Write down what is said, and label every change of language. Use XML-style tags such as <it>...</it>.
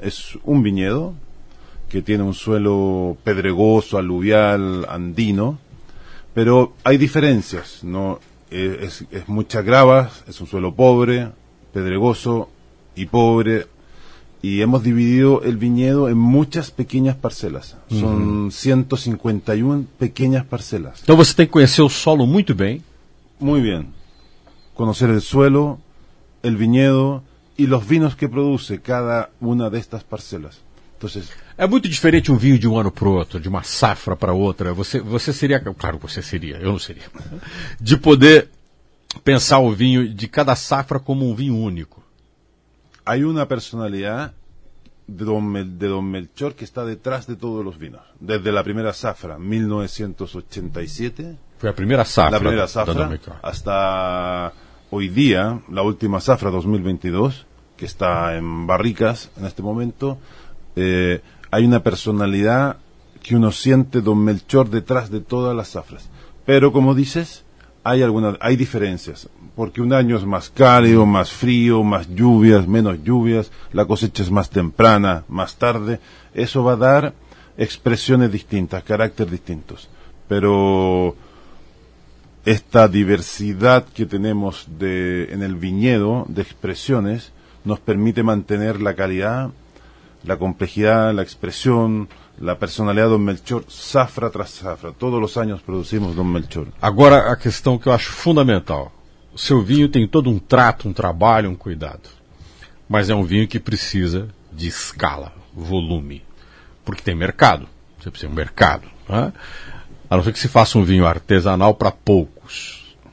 <es>Es un viñedo que tiene un suelo pedregoso, aluvial, andino, pero hay diferencias, ¿no? Es mucha grava, es un suelo pobre, pedregoso y pobre. Y hemos dividido el viñedo en muchas pequeñas parcelas. Son 151 pequeñas parcelas.</es> <pt>Então você tem que conhecer o solo muito bem.</pt> <es>Muy bien. Conocer el suelo, el viñedo y los vinos que produce cada una de estas parcelas. Entonces,</es> <pt>é muito diferente um vinho de um ano para o outro, de uma safra para outra. Você seria, claro, você seria, eu não seria, de poder pensar o vinho de cada safra como um vinho único.</pt> <es>Hay una personalidad de Don Melchor que está detrás de todos los vinos. Desde la primera zafra, 1987, Fue la primera safra. La primera safra, hasta hoy día, la última safra 2022, que está en barricas en este momento, hay una personalidad que uno siente Don Melchor detrás de todas las safras. Pero, como dices, hay diferencias, porque un año es más cálido, más frío, más lluvias, menos lluvias, la cosecha es más temprana, más tarde. Eso va a dar expresiones distintas, carácter distintos. Pero esta diversidad que tenemos en el viñedo de expresiones nos permite mantener la calidad, la complejidad, la expresión, la personalidad de Don Melchor, safra tras safra. Todos los años producimos Don Melchor.</es> <pt>Agora, a questão que eu acho fundamental. O seu vinho tem todo um trato, um trabalho, um cuidado. Mas é um vinho que precisa de escala, volume. Porque tem mercado. Você precisa de um mercado, né? A não ser que se faça um vinho artesanal para poucos.</pt>